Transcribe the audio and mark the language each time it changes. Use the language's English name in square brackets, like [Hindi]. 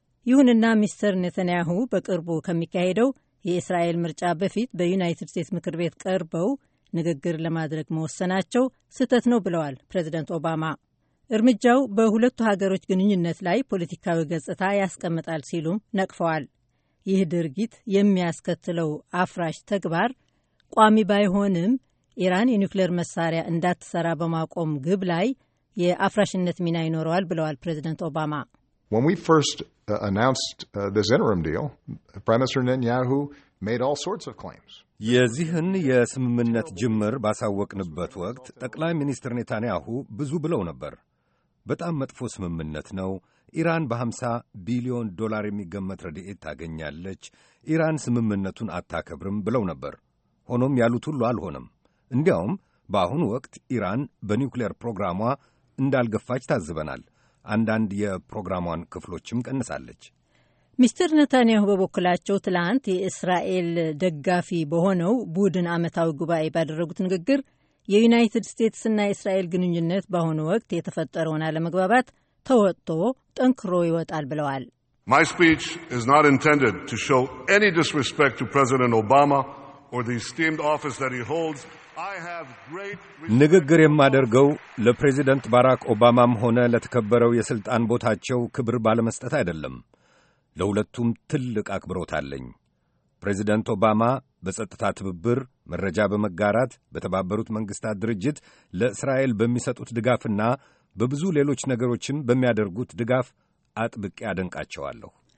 [Amharic] ይሁንና ሚስተር ኔታንያሁ በቅርቡ ከሚካሄደው የእስራኤል ምርጫ በፊት በዩናይትድ ስቴትስ ምክር ቤት ቀርበው ንግግር ለማድረግ መወሰናቸው ስህተት ነው ብለዋል ፕሬዚደንት ኦባማ። እርምጃው በሁለቱ ሀገሮች ግንኙነት ላይ ፖለቲካዊ ገጽታ ያስቀምጣል ሲሉም ነቅፈዋል። ይህ ድርጊት የሚያስከትለው አፍራሽ ተግባር ቋሚ ባይሆንም ኢራን የኒውክሌር መሳሪያ እንዳትሰራ በማቆም ግብ ላይ የአፍራሽነት ሚና ይኖረዋል ብለዋል ፕሬዚደንት ኦባማ። [English] When we first announced this interim deal, Prime Minister Netanyahu made all sorts of claims. [Amharic] የዚህን የስምምነት ጅምር ባሳወቅንበት ወቅት ጠቅላይ ሚኒስትር ኔታንያሁ ብዙ ብለው ነበር። በጣም መጥፎ ስምምነት ነው። ኢራን በ50 ቢሊዮን ዶላር የሚገመት ረድኤት ታገኛለች። ኢራን ስምምነቱን አታከብርም ብለው ነበር። ሆኖም ያሉት ሁሉ አልሆነም። እንዲያውም በአሁን ወቅት ኢራን በኒውክሌር ፕሮግራሟ እንዳልገፋች ታዝበናል። አንዳንድ የፕሮግራሟን ክፍሎችም ቀንሳለች። ሚስተር ነታንያሁ በበኩላቸው ትላንት የእስራኤል ደጋፊ በሆነው ቡድን ዓመታዊ ጉባኤ ባደረጉት ንግግር የዩናይትድ ስቴትስና የእስራኤል ግንኙነት በአሁኑ ወቅት የተፈጠረውን አለመግባባት ተወጥቶ ጠንክሮ ይወጣል ብለዋል። [English] My speech is not intended to show any disrespect to President Obama or the esteemed office that he holds. I have great [Amharic] ንግግር የማደርገው ለፕሬዚደንት ባራክ ኦባማም ሆነ ለተከበረው የስልጣን ቦታቸው ክብር ባለመስጠት አይደለም። ለሁለቱም ትልቅ አክብሮት አለኝ። ፕሬዚደንት ኦባማ በጸጥታ ትብብር መረጃ በመጋራት በተባበሩት መንግስታት ድርጅት ለእስራኤል በሚሰጡት ድጋፍና በብዙ ሌሎች ነገሮችም በሚያደርጉት ድጋፍ አጥብቄ አደንቃቸዋለሁ።